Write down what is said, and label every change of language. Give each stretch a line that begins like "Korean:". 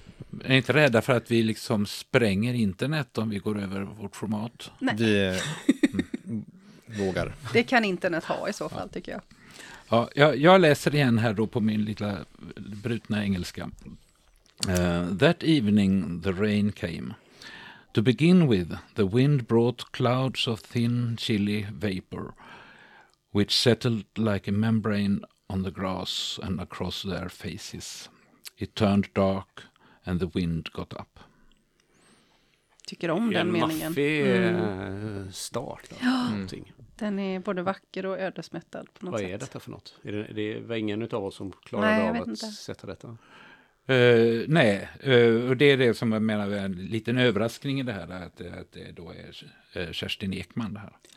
Swedish: Jag är inte rädda för att vi liksom spränger internet om vi går över vårt format. Nej. Vi vågar. Det kan internet ha i så fall, tycker jag. Ja, jag läser igen här då på min lilla brutna engelska.
English: That evening the rain came. To begin with, the wind brought clouds of thin, chilly vapor, which settled like a membrane on the grass and across their faces. It turned dark and the wind got up.
Swedish: Tycker om den meningen. Maffig start. Ja, den är både vacker och ödesmättad på något sätt. Vad är detta för något? Det var ingen av oss som klarade av att sätta detta? Och det är det som jag menar är en liten överraskning i det här, att det då är Kerstin Ekman det här.